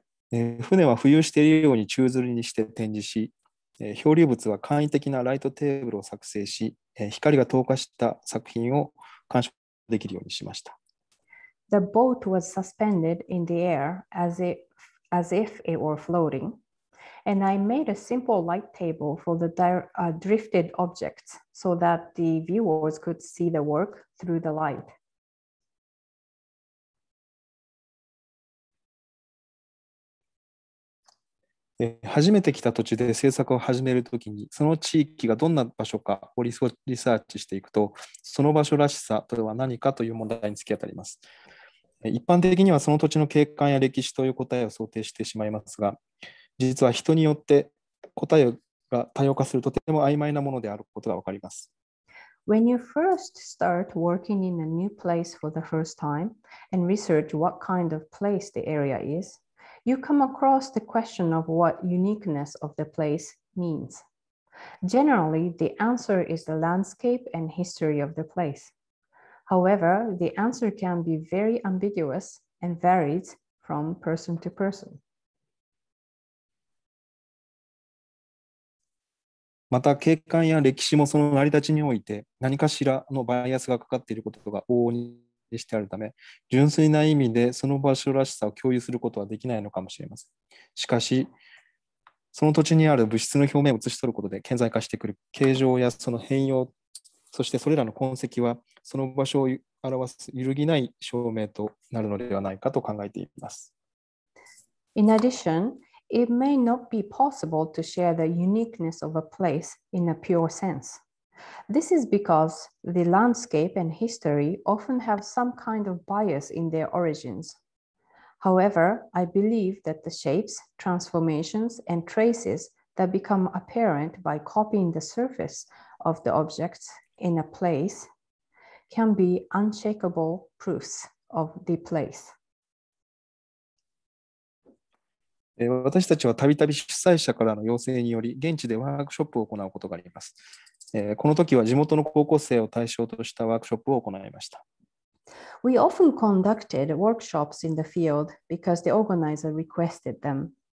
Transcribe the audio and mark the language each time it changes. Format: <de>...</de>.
<ja>船は浮遊しているように宙吊りにして展示し、漂流物は簡易的なライトテーブルを作成し、光が透過した作品を鑑賞できるようにしました。</ja> <en>The boat was suspended in the air as if it were floating, and I made a simple light table for the drifted objects so that the viewers could see the work through the light.</en> <ja>初めて来た土地で政策を始めるときに、その地域がどんな場所かをリサーチしていくと、その場所らしさとは何かという問題に突き当たります。一般的にはその土地の景観や歴史という答えを想定してしまいますが、実は人によって答えが多様化するとても曖昧なものであることがわかります。</ja> <en>When you first start working in a new place for the first time and research what kind of place the area is, you come across the question of what uniqueness of the place means. Generally, the answer is the landscape and history of the place. However, the answer can be very ambiguous and varies from person to person.</en> <ja>また景観や歴史もその成り立ちにおいて何かしらのバイアスがかかっていることが往々にしてあるため、純粋な意味でその場所らしさを共有することはできないのかもしれません。しかし、その土地にある物質の表面を写し取ることで顕在化してくる形状やその変容、そしてそれらの痕跡はその場所を表す揺るぎない証明となるのではないかと考えています。</ja> <en>In addition, it may not be possible to share the uniqueness of a place in a pure sense. This is because the landscape and history often have some kind of bias in their origins. However, I believe that the shapes, transformations, and traces that become apparent by copying the surface of the objects in a place can be unshakable proofs of the place.</en> <ja>私たちはたびたび主催者からの要請により現地でワークショップを行うことがあります。この時は地元の高校生を対象としたワークショップを行いました。</ja> <en>We often conducted workshops in the field because the organizer requested them.</en>